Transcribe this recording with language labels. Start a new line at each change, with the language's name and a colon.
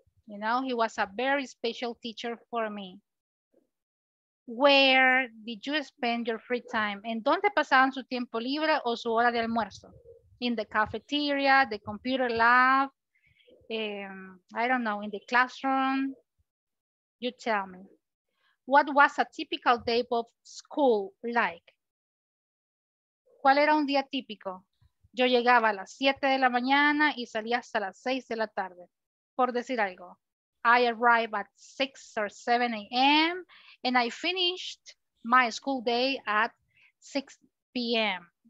English: You know, he was a very special teacher for me. Where did you spend your free time?
Spanish: ¿En dónde pasaban su tiempo libre o su hora de almuerzo?
English: In the cafeteria, the computer lab, I don't know, in the classroom. You tell me. What was a typical day of school like?
Spanish: ¿Cuál era un día típico? Yo llegaba a las 7 de la mañana y salía hasta las 6 de la tarde, por decir algo.
English: I arrive at 6 or 7 a.m. and I finished my school day at 6 p.m.